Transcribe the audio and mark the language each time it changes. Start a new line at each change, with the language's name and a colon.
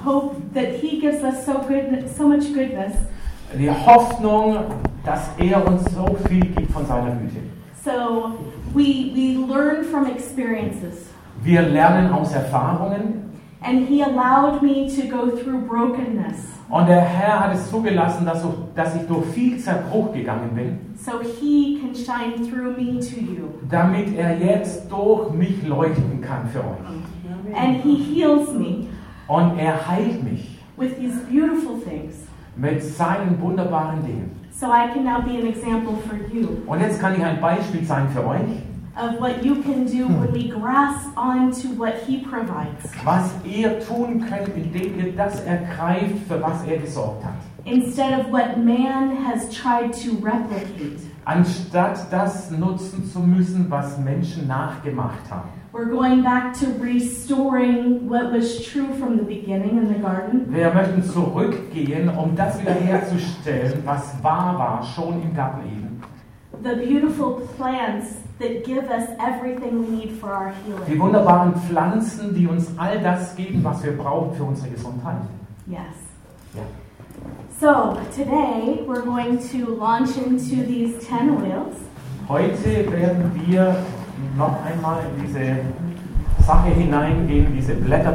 English: Hope that he gives us so good, so much goodness.
German: Die Hoffnung, dass er uns so viel gibt von seiner Güte.
English: So we learn from experiences.
German: Wir lernen aus Erfahrungen.
English: And he allowed me to go through brokenness.
German: Und der Herr hat es zugelassen, dass ich durch viel Zerbruch gegangen bin.
English: So he can shine through me to you.
German: Damit er jetzt durch mich leuchten kann für euch.
English: And he heals me.
German: Und er heilt mich.
English: With these beautiful things.
German: Mit seinen wunderbaren Dingen.
English: So I can now be an example for you.
German: Und jetzt kann ich ein Beispiel sein für euch.
English: Of what you can do when we grasp on to what he provides.
German: Was ihr tun könnt, indem ihr das ergreift, für was er gesorgt hat.
English: Instead of what man has tried to replicate.
German: Anstatt das nutzen zu müssen, was Menschen nachgemacht haben.
English: We're going back to restoring what was true from the beginning in the garden.
German: Wir möchten zurückgehen, um das wiederherzustellen, was wahr war, schon im Garten Eden.
English: The beautiful plants that give us everything we need for our healing.
German: Die wunderbaren Pflanzen, die uns all das geben, was wir brauchen für unsere Gesundheit.
English: Yes.
German: Ja.
English: So, today we're going to launch into these 10 oils.
German: Heute werden wir noch einmal in diese Sache hineingehen, diese Blätter.